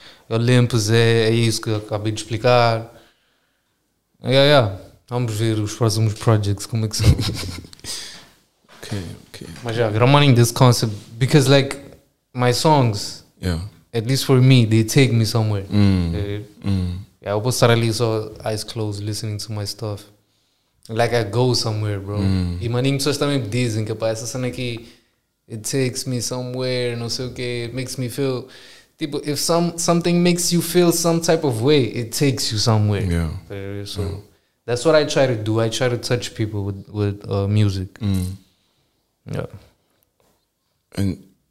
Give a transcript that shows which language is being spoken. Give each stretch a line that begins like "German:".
Portuguese: Olympus é isso que eu acabei de explicar. Yeah. Vamos ver os próximos projects como é que são.
English: Okay. Mas yeah, I'm running this concept because like my songs, at least for me, they take me somewhere. Yeah, I was suddenly so eyes closed listening to my stuff. Like I go somewhere, bro.
Portuguese: E maninho, pessoas também dizem que essa cena aqui,
English: it takes me somewhere,
Portuguese: não sei o quê,
English: it makes me feel. Tipo, if something makes you feel some type of way, it takes you somewhere. Yeah. So that's what I try to do. I try to touch people with music. Yeah. And